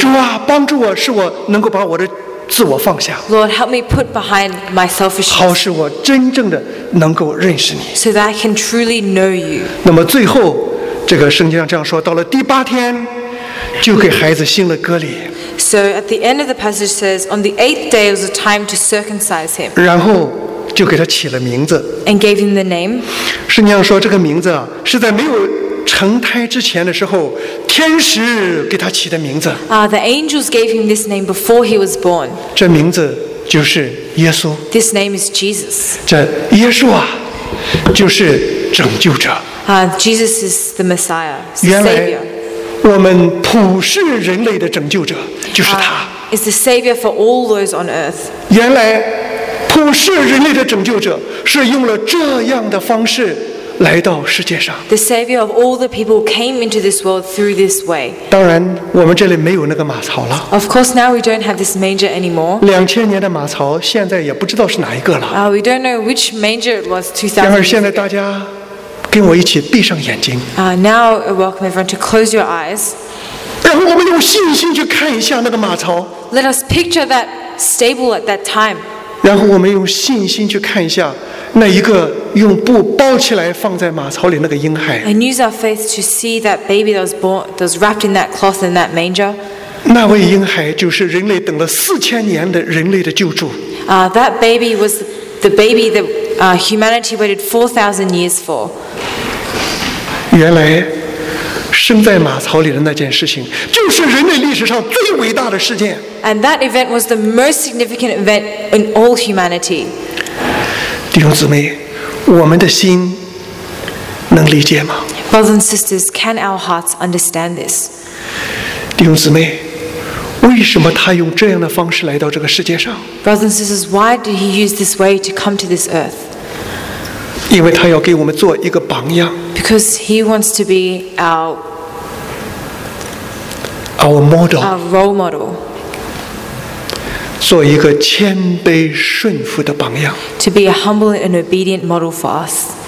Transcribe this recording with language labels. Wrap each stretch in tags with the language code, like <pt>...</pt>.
<zh>主啊，帮助我，使我能够把我的自我放下。</zh> <en>Lord, help me put behind my selfishness.</en> <zh>好使我真正的能够认识你。</zh> <en>So that I can truly know you.</en> <zh>那么最后。这个圣经上这样说，到了第八天，就给孩子兴了割礼。</zh> <en>So at the end of the passage says, on the eighth day was the time to circumcise him.</en> <zh>然后就给他起了名字。</zh> <en>And gave him the name.</en> <zh>圣经上说，这个名字是在没有成胎之前的时候，天使给他起的名字。</zh> <en>The angels gave him this name before he was born.</en> <zh>这名字就是耶稣。</zh> <en>This name is Jesus.</en> <zh>这耶稣啊，就是拯救者。</zh> <en>Jesus is the Messiah, the Savior.</en> <zh>原来我们普世人类的拯救者就是他。</zh> <en>Is the Savior for all those on earth.</en> <zh>原来普世人类的拯救者是用了这样的方式来到世界上。</zh> <en>The Savior of all the people came into this world through this way.</en> <zh>当然，我们这里没有那个马槽了。</zh> <en>Of course, now we don't have this manger anymore.</en> <zh>2000年的马槽现在也不知道是哪一个了。</zh> <en>We don't know which manger it was 2000 years ago.</en> <zh>然而，现在大家跟我一起闭上眼睛。</zh> <en>Now welcome everyone to close your eyes.</en> <zh>然后我们用信心去看一下那个马槽。</zh> <en>Let us picture that stable at that time.</en> <zh>然后我们用信心去看一下那一个用布包起来放在马槽里那个婴孩。</zh> <en>And use our faith to see that baby that was born, that was wrapped in that cloth in that manger.</en> <zh>那位婴孩就是人类等了4000年的人类的救主。</zh> <en>That baby was the baby that humanity waited 4,000 years for.</en> <zh>原来生在马槽里的那件事情，就是人类历史上最伟大的事件。</zh> <en>And that event was the most significant event in all humanity.</en> <zh>弟兄姊妹，我们的心能理解吗？</zh> <en>Brothers and sisters, can our hearts understand this?</en> <zh>弟兄姊妹，为什么他用这样的方式来到这个世界上？</zh> <en>Brothers and sisters, why did he use this way to come to this earth?</en> <zh>因为他要给我们做一个榜样。</zh> <en>Because he wants to be our model, our role model.</en> <zh>做一个谦卑顺服的榜样。</zh> <en>To be a humble and obedient model for us.</en>